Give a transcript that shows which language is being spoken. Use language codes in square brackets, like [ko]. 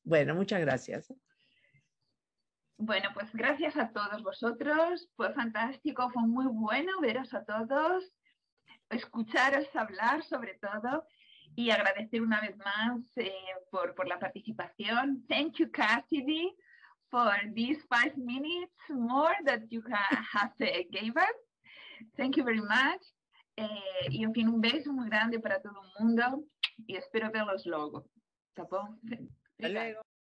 [es] Bueno, muchas gracias. Bueno, pues gracias a todos vosotros. Fue fantástico, fue muy bueno veros a todos, escucharos hablar sobre todo. Y agradecer una vez más por la participación. [en] Thank you, Cassidy, for these 5 minutes more that you have gave us. Thank you very much. [es] Y en fin, un beso muy grande para todo el mundo y espero verlos luego. Hasta luego.